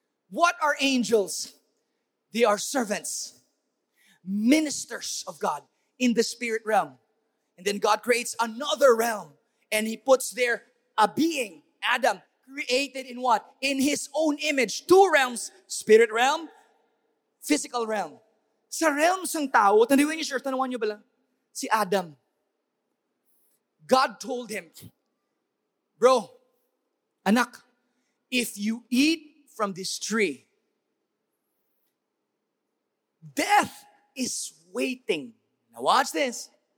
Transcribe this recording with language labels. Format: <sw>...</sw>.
<en>What are angels? They are servants, ministers of God in the spirit realm. And then God creates another realm and he puts there a being, Adam, created in what? In his own image. Two realms, spirit realm, physical realm.</en> <tl>Sa realm ng tao, tanawin niyo, tanawin niyo ba lang? Si Adam.</tl> <en>God told him, bro, anak, if you eat from this tree, death is waiting. Now watch this.</en>